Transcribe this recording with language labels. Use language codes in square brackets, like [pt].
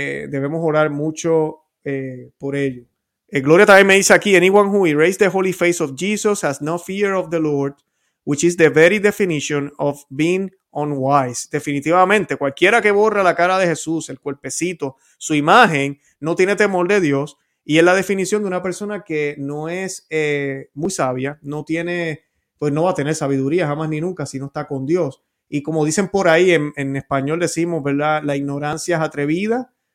[es] Debemos orar mucho por ello. Gloria también me dice aquí, [en] anyone who erased the holy face of Jesus has no fear of the Lord, which is the very definition of being unwise. [es] Definitivamente, cualquiera que borra la cara de Jesús, el cuerpecito, su imagen, no tiene temor de Dios. Y es la definición de una persona que no es muy sabia, no tiene, pues no va a tener sabiduría jamás ni nunca si no está con Dios. Y como dicen por ahí en español decimos, ¿verdad? La ignorancia es atrevida.